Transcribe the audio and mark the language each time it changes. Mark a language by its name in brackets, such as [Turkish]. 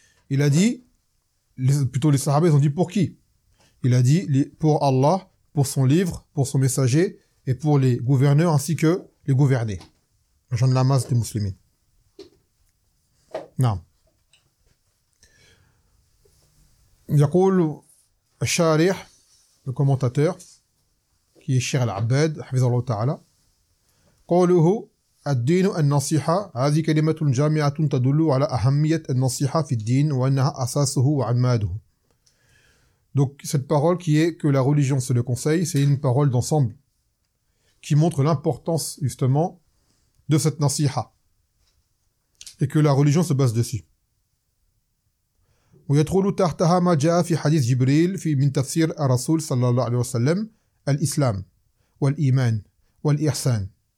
[French] Il a dit, plutôt les sahabes, ils ont dit pour qui ? Il a dit pour Allah, pour son livre, pour son messager, et pour les gouverneurs ainsi que les gouvernés. Les gens de la masse des musulmans. Non. [Arabic] Yaqul al-Sharih, [French] le commentateur, qui est [Arabic] Cheikh al-Abbad, hafizallahu ta'ala, qu'aluhu الدين النصيحة هذه كلمة جامعة تدل على أهمية النصيحة في الدين وأنها أساسه وعماده. [French] Donc cette parole qui est que la religion c'est le conseil, c'est une parole d'ensemble qui montre l'importance justement de cette nasiha et que la religion se base dessus. [Arabic] ويدخل تحتها ما جاء في حديث جبريل في من تفسير الرسول صلى الله عليه وسلم الإسلام والإيمان والإحسان.